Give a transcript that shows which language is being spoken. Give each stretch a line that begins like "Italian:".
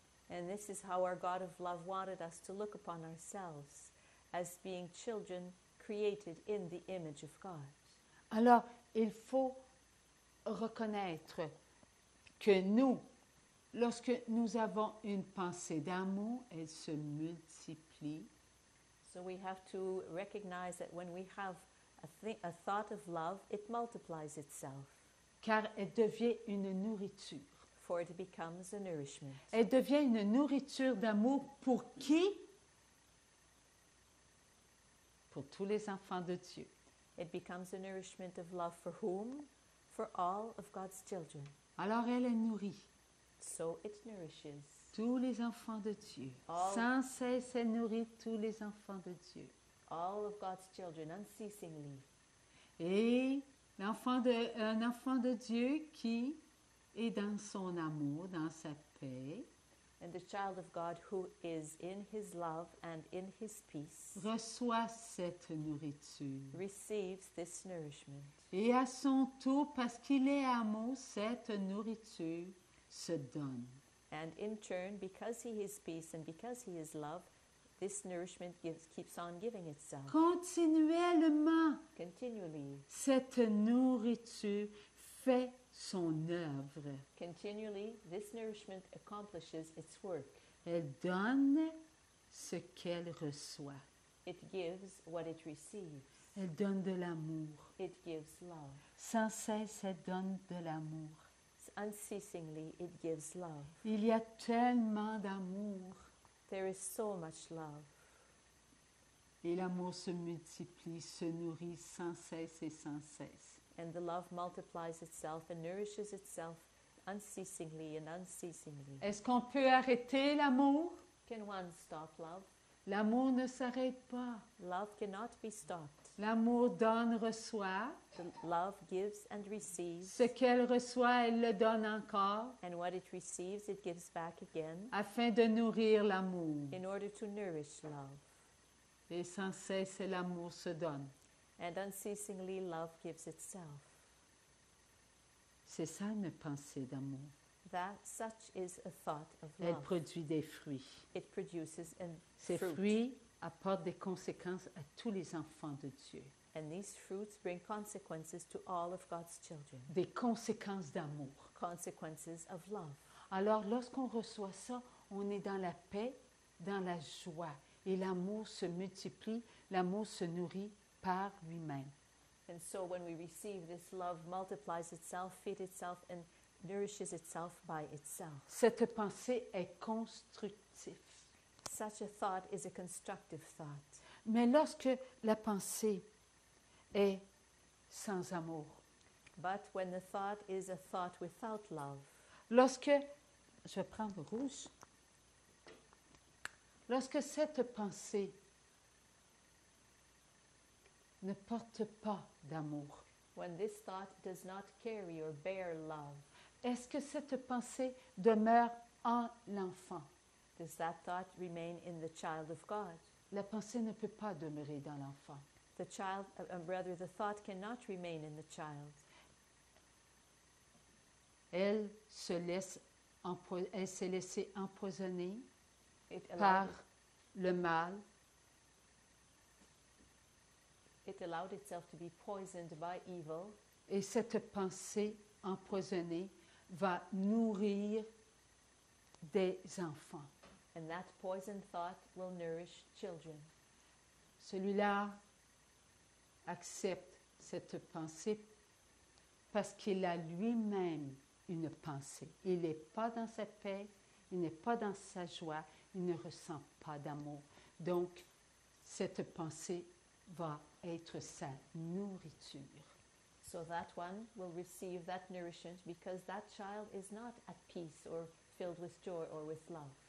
English: And this is how our God of love wanted us to look upon ourselves, as being children created in the image of God.
French: Alors, il faut reconnaître que nous, lorsque nous avons une pensée d'amour, elle se multiplie.
English: So we have to recognize that when we have a thought of love, it multiplies itself.
French: Car elle devient une nourriture.
English: For it becomes a nourishment.
French: Elle devient une nourriture d'amour pour qui? Pour tous les enfants de Dieu.
English: It becomes a nourishment of love for whom? For all of God's children.
French: Alors elle est nourrie.
English: So it nourishes.
French: Tous les enfants de Dieu. Sans cesse, elle nourrit tous les enfants de Dieu.
English: All of God's children, unceasingly.
French: Et l'enfant de, un enfant de Dieu qui... Et dans son amour, dans sa paix,
English: and the child of God who is in his love and in his peace
French: reçoit cette nourriture.
English: Receives this nourishment.
French: Et à son tour, parce qu'il est amour, cette nourriture se donne.
English: And in turn, because he is peace and because he is love, this nourishment gives, keeps on giving itself.
French: Continuellement.
English: Continually.
French: Cette nourriture fait son œuvre.
English: Continually, this nourishment accomplishes its work.
French: Elle donne ce qu'elle reçoit.
English: It gives what it receives.
French: Elle donne de l'amour.
English: It gives love.
French: Sans cesse, elle donne de l'amour.
English: Unceasingly, it gives love.
French: Il y a tellement d'amour.
English: There is so much love.
French: Et l'amour se multiplie, se nourrit sans cesse et sans cesse.
English: And the love multiplies itself and nourishes itself unceasingly and unceasingly.
French: Est-ce qu'on peut arrêter l'amour?
English: Can one stop love?
French: L'amour ne s'arrête pas.
English: Love cannot be stopped.
French: L'amour donne, reçoit.
English: The love gives and receives.
French: Ce qu'elle reçoit, elle le donne encore.
English: And what it receives, it gives back again.
French: Afin de nourrir l'amour.
English: In order to nourish love.
French: Et sans cesse, l'amour se donne.
English: And unceasingly, love gives itself.
French: C'est ça une pensée d'amour.
English: That such is a thought of love.
French: Elle produit des fruits.
English: It produces a
French: Ces
English: fruit.
French: Ces fruits apportent des conséquences à tous les enfants de Dieu.
English: And these fruits bring consequences to all of God's children.
French: Des conséquences d'amour.
English: Consequences of love.
French: Alors, lorsqu'on reçoit ça, on est dans la paix, dans la joie. Et l'amour se multiplie, l'amour se nourrit. Par lui-même.
English: And so when we receive this love multiplies itself, feeds itself and nourishes itself by itself.
French: Cette pensée est constructive.
English: Such a thought is a constructive thought.
French: Mais lorsque la pensée est sans amour.
English: But when the thought is a thought without love.
French: Lorsque, je vais prendre rouge. Lorsque cette pensée ne porte pas d'amour.
English: When this thought does not carry or bear love.
French: Est-ce que cette pensée demeure en l'enfant?
English: Does that thought remain in the child of God?
French: La pensée ne peut pas demeurer dans l'enfant.
English: The child, rather, the thought cannot remain in the child.
French: elle se laisse elle s'est laissée empoisonner par le mal.
English: It allowed itself to be poisoned by evil.
French: Et cette pensée empoisonnée va nourrir des enfants.
English: And that poisoned thought will nourish children.
French: Celui-là accepte cette pensée parce qu'il a lui-même une pensée. Il n'est pas dans sa paix, il n'est pas dans sa joie, il ne ressent pas d'amour. Donc, cette pensée va être sa nourriture.
English: So that one will receive that nourishment because that child is not at peace or filled with joy or with love.